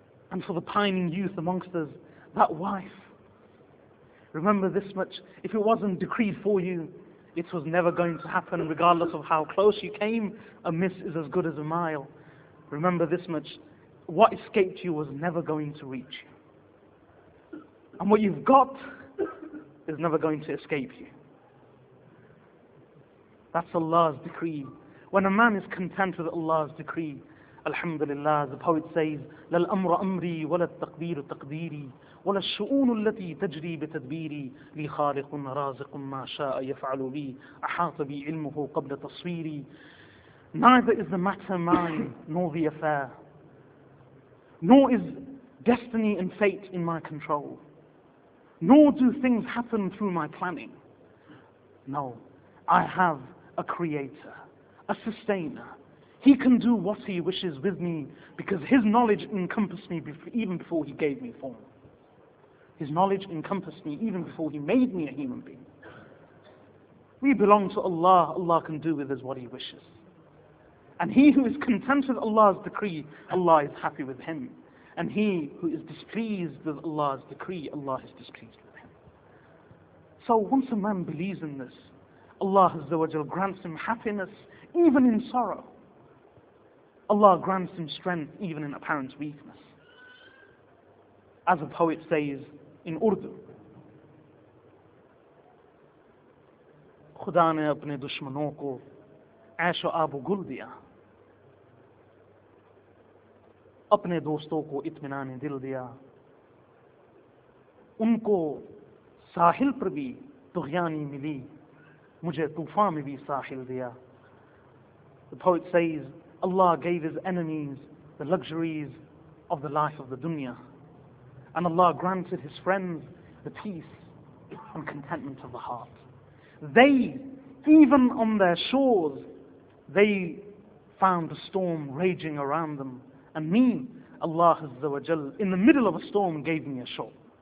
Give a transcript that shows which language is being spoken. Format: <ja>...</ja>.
<en>And for the pining youth amongst us, that wife. Remember this much, if it wasn't decreed for you, it was never going to happen, regardless of how close you came, a miss is as good as a mile. Remember this much, what escaped you was never going to reach you. And what you've got is never going to escape you. That's Allah's decree. When a man is content with Allah's decree, Alhamdulillah, the poet says,</en> <ar>لَلْ أَمْرَ أَمْرِي وَلَا التَّقْدِيرُ تَقْدِيرِي وَلَا الشُّؤُونُ الَّتِي تَجْرِي بِتَدْبِيرِي لِي خَالِقٌ رَازِقٌ مَا شَاءَ يَفْعَلُ بِي أَحَاطَ بِي عِلْمُهُ قَبْلَ تَصْوِيرِي.</ar> <en>Neither is the matter mine, nor the affair, nor is destiny and fate in my control, nor do things happen through my planning. No, I have a creator, a sustainer. He can do what he wishes with me because his knowledge encompassed me even before he gave me form. His knowledge encompassed me even before he made me a human being. We belong to Allah. Allah can do with us what he wishes. And he who is content with Allah's decree, Allah is happy with him. And he who is displeased with Allah's decree, Allah is displeased with him. So once a man believes in this, Allah Azza wa Jal grants him happiness even in sorrow. Allah grants him strength even in apparent weakness. As a poet says in Urdu,</en> <ur>خدا نے اپنے دشمنوں کو عیش و آب و گل دیا اپنے دوستوں کو اطمینان دل دیا ان کو ساحل پر بھی طغیانی ملی مجھے طوفان میں بھی ساحل دیا.</ur> <en>The poet says, Allah gave his enemies the luxuries of the life of the dunya, and Allah granted his friends the peace and contentment of the heart. They, even on their shores, they found a storm raging around them, and me, Allah Azza wa Jal, in the middle of a storm gave me a shore.</en>